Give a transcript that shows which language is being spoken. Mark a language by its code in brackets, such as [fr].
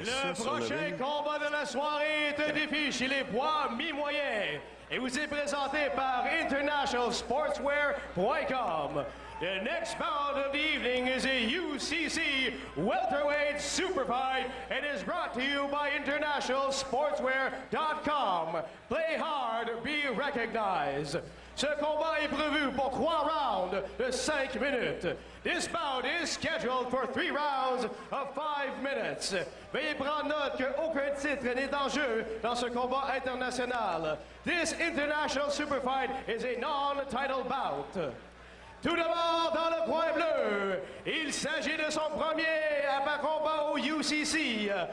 [fr] le prochain combat de la soirée est un défi chez les poids mi-moyens et vous est présenté par internationalsportswear.com. [en] The next bout of the evening is a UCC welterweight super fight and is brought to you by internationalsportswear.com. Play hard, be recognized. [fr] Ce combat est prévu pour 3 rounds de 5 minutes. [en] This bout is scheduled for 3 rounds of 5 minutes. [fr] Veuillez prendre note qu'aucun titre n'est en jeu dans ce combat international. [en] This international super fight is a non-title bout. [fr] Tout d'abord dans le coin bleu, il s'agit de son premier combat au UCC.